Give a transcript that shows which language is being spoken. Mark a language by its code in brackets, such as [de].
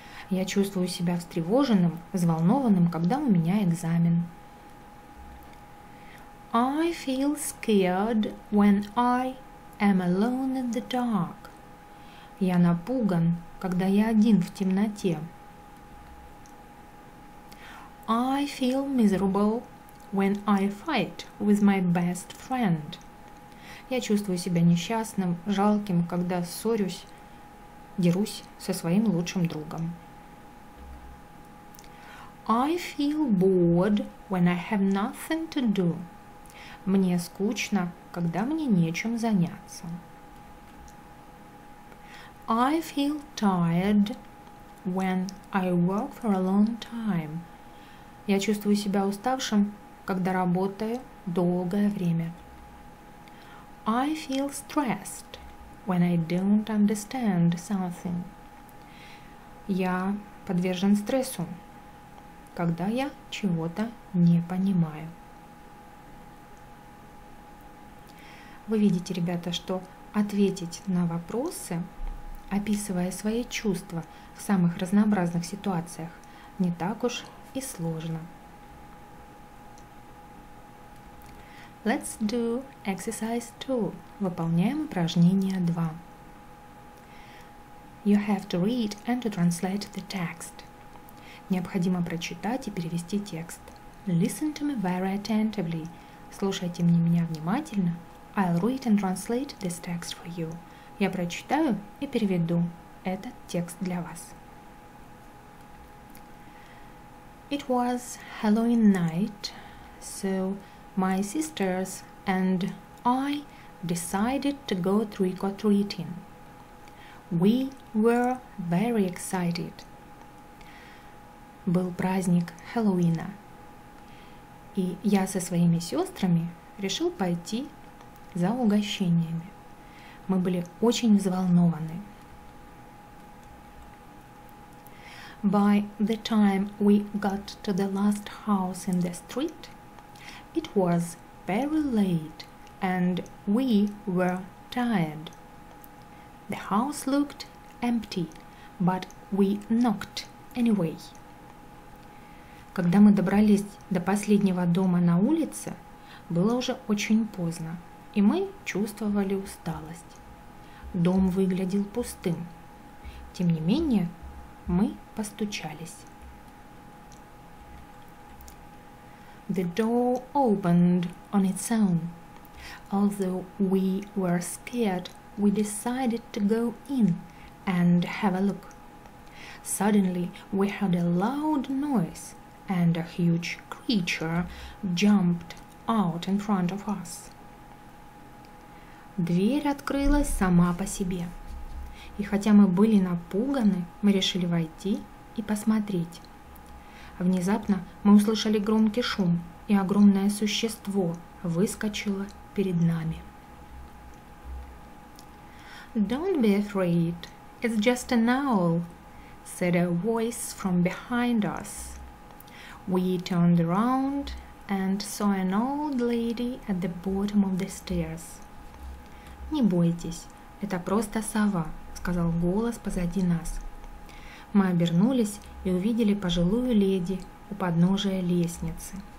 [ru] Я чувствую себя встревоженным, взволнованным, когда у меня экзамен. [en] I feel scared when I am alone in the dark. [ru] Я напуган, когда я один в темноте. [en] I feel miserable when I fight with my best friend. [ru] Я чувствую себя несчастным, жалким, когда ссорюсь, дерусь со своим лучшим другом. [en] I feel bored when I have nothing to do. [ru] Мне скучно, когда мне нечем заняться. [en] I feel tired when I work for a long time. [ru] Я чувствую себя уставшим, когда работаю долгое время. [en] I feel stressed when I don't understand something. [ru] Я подвержен стрессу, когда я чего-то не понимаю. Вы видите, ребята, что ответить на вопросы, описывая свои чувства в самых разнообразных ситуациях, не так уж и сложно. [en] Let's do exercise 2. [ru] Выполняем упражнение 2. [en] You have to read and to translate the text. [ru] Необходимо прочитать и перевести текст. [en] Listen to me very attentively. [ru] Слушайте меня внимательно. [en] I'll read and translate this text for you. [ru] Я прочитаю и переведу этот текст для вас. [en] It was Halloween night, so my sisters and I decided to go trick-or-treating. We were very excited. [ru] Был праздник Хэллоуина, и я со своими сестрами решил пойти за угощениями. Мы были очень взволнованы. [en] By the time we got to the last house in the street, it was very late and we were tired. The house looked empty, but we knocked anyway. [ru] Когда мы добрались до последнего дома на улице, было уже очень поздно, и мы чувствовали усталость. Дом выглядел пустым. Тем не менее, мы постучались. [en] The door opened on its own. Although we were scared, we decided to go in and have a look. Suddenly, we heard a loud noise and a huge creature jumped out in front of us. [ru] Дверь открылась сама по себе. И хотя мы были напуганы, мы решили войти и посмотреть. Внезапно мы услышали громкий шум, и огромное существо выскочило перед нами. [en] Don't be afraid, it's just an owl, said a voice from behind us. We turned around and saw an old lady at the bottom of the stairs. [ru] Не бойтесь, это просто сова, сказал голос позади нас. Мы обернулись и увидели пожилую леди у подножия лестницы.